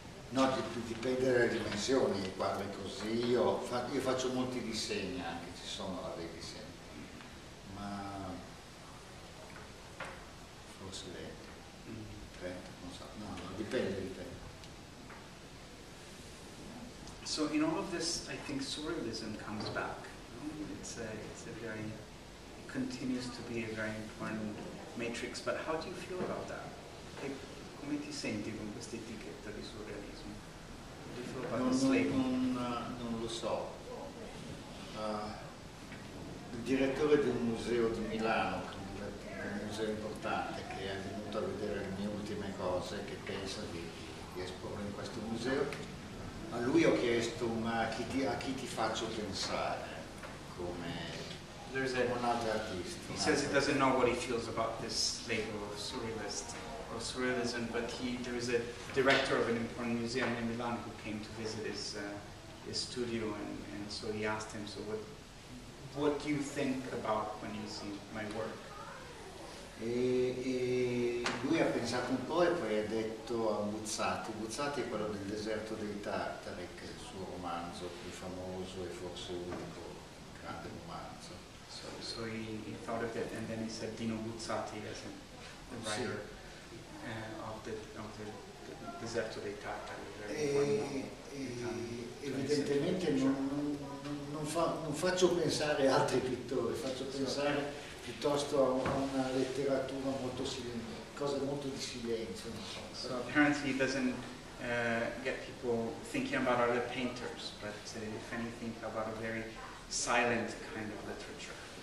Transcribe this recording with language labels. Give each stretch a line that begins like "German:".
Italian: No, dipende dalle dimensioni, quadri così, io faccio molti disegni anche, ci sono dei disegni, ma forse 20, 30, non so, no, dipende.
English: So in all of this, I think surrealism comes back, no? It's a very continues to be a very important matrix, but how do you feel about that?
Italian: Come ti senti con questa etichetta di surrealismo? Non lo so. Il direttore di un museo di Milano, un museo importante, che è venuto a vedere le mie ultime cose, che pensa di esporre in questo museo, a lui ho chiesto a chi ti faccio pensare come un altro artista.
English: He says he doesn't know what he feels about this label of surrealist or surrealism, but there is a director of an important museum in Milan who came to visit his studio, and so he asked him, so what do you think about when you see my work?
Italian: E lui ha pensato un po' e poi ha detto a Buzzati. Buzzati è quello del deserto dei Tartari, che è il suo romanzo più famoso e forse unico, grande romanzo.
English: So he thought of it, and then he said Dino Buzzati as a writer. Sì. Of the deserto dei Tartari.
Italian: Evidentemente non faccio pensare a altri pittori, faccio pensare piuttosto a una letteratura molto cosa molto di silenzio.
English: So apparently he doesn't get people thinking about other painters, but if anything about a very silent kind of literature.